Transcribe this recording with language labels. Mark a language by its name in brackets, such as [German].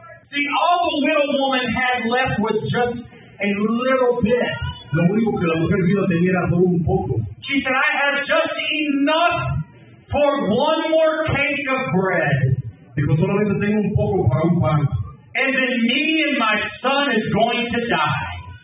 [English] See, all the widow woman had left was just a little bit. [Spanish] Lo único que la mujer vio tenía era solo un poco. [English] She said, I have just enough for one more cake of bread. [Spanish] Dijo, solamente tengo un poco para un pan. [English] And then me and my son is going to die.